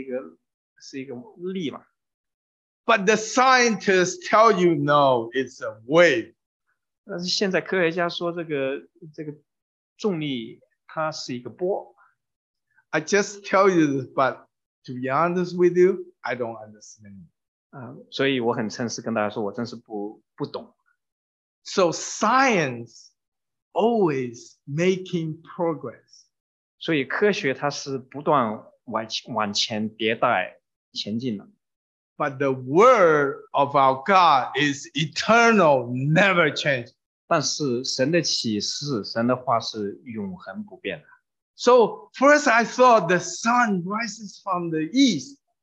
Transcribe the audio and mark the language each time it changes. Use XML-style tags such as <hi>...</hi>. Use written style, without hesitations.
<zh>所以这个重力啊，它是应该是一个力嘛。</zh> <en>But the scientists tell you no, it's a wave.</en> <zh>但是现在科学家说这个重力它是一个波。</zh> <en>I just tell you this, but to be honest with you, I don't understand.</en> <zh>所以我很诚实跟大家说，我真是不懂。</zh> <en>So science always making progress.</en> <zh>所以科学它是不断往前迭代前进的。</zh> <en>But the word of our God is eternal, never change.</en> <zh>但是神的启示，神的话是永恒不变的。</zh> <en>So first I thought the sun rises from the east.</en>